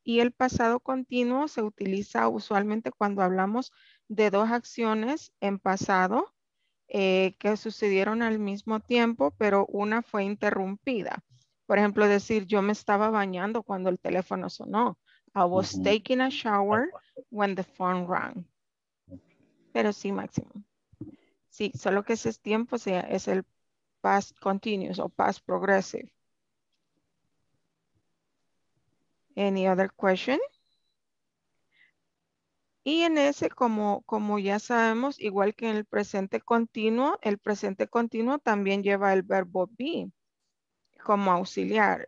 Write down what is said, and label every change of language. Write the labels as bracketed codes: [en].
[es] Y el pasado continuo se utiliza usualmente cuando hablamos de dos acciones en pasado que sucedieron al mismo tiempo, pero una fue interrumpida. Por ejemplo, decir yo me estaba bañando cuando el teléfono sonó. [en] I was taking a shower when the phone rang. [es] Pero sí, máximo. Sí, solo que ese tiempo es el [en] past continuous or past progressive. Any other question? [es] Y en ese, como ya sabemos, igual que en el presente continuo también lleva el verbo be como auxiliar.